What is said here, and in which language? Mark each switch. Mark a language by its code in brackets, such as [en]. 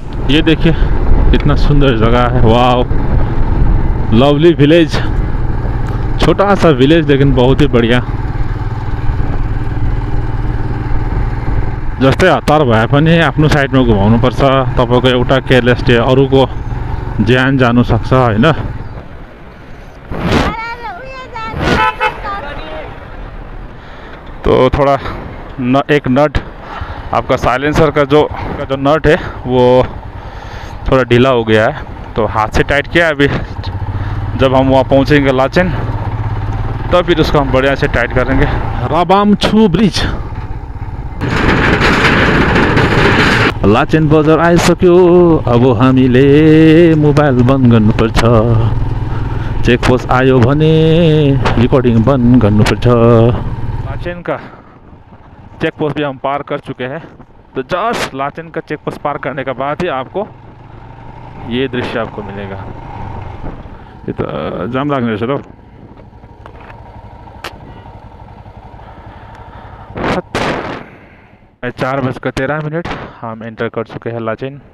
[hi] ये देखिए कितना सुंदर जगह है, [en] wow lovely village, [hi] छोटा सा विलेज लेकिन बहुत ही बढ़िया। [ne] जस्ते हतार भए पनि आफ्नो साइडमा घुमाउनु पर्छ, तपाईँको एउटा केयरलेसले अरूको ज्यान जानु सक्छ होइन। [hi] तो थोड़ा न एक नट आपका साइलेंसर का जो नट है वो थोड़ा ढीला हो गया है, तो हाथ से टाइट किया है। अभी जब हम वहाँ पहुँचेंगे लाचेन तब फिर उसको हम बढ़िया से टाइट करेंगे। [ne] राबामछू ब्रिज, लाचेन बजार आइसक्यो, अब हामीले मोबाइल बन्द गर्नुपर्छ, चेकपोस्ट आयो भने रिकर्डिङ बन्द गर्नुपर्छ। [hi] लाचेन का चेकपोस्ट भी हम पार कर चुके हैं, तो जस्ट लाचेन का चेकपोस्ट पार करने के बाद ही आपको ये दृश्य आपको मिलेगा। ये तो जाम [ne] लागने रहेछ, [hi] चार बज के 13 मिनट हम एंटर कर चुके हैं लाचेन।